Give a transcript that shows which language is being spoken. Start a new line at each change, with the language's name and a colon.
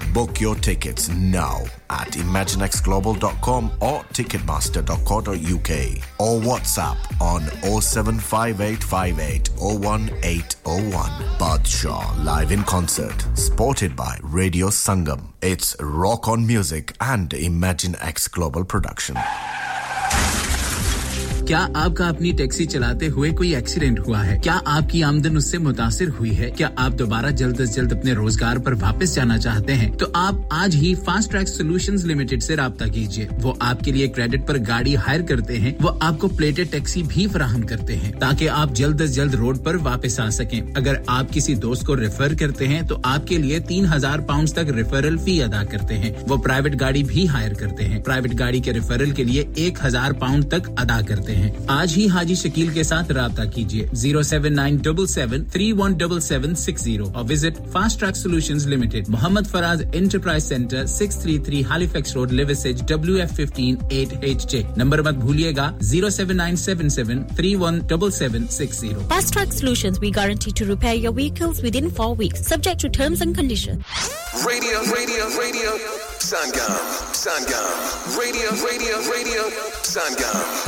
English: Book your tickets now at imaginexglobal.com or ticketmaster.co.uk or WhatsApp on 07585801801. Badshah live in concert, supported by Radio Sangam. It's Rock On Music and ImagineX Global Production.
Hindi: क्या आपका अपनी taxi चलाते हुए कोई accident हुआ है क्या आपकी आमदनी उससे मुतासिर हुई है क्या आप दोबारा जल्द से जल्द अपने रोजगार पर वापस जाना चाहते हैं तो आप आज ही फास्ट ट्रैक सॉल्यूशंस लिमिटेड से राबता कीजिए वो आपके लिए क्रेडिट पर गाड़ी हायर करते हैं वो आपको प्लेटेड टैक्सी भी प्रदान करते हैं ताकि आप जल्द से जल्द रोड पर वापस आ सकें अगर आप किसी दोस्त को रेफर करते हैं तो आपके लिए £3,000 तक रेफरल फी अदा करते हैं वो प्राइवेट गाड़ी भी हायर करते हैं प्राइवेट गाड़ी के रेफरल के लिए £1,000 तक अदा करते हैं आज ही हाजी शकील के साथ राबता कीजिए 07977317760 और visit fast track solutions limited Mohammad Faraz enterprise centre 633 Halifax road Liversedge WF158HJ number मत भूलिएगा 07977317760
English: Fast track solutions we guarantee to repair your vehicles within 4 weeks subject to terms and conditions radio radio radio Sangam, Radio, Radio, Radio, Sangam.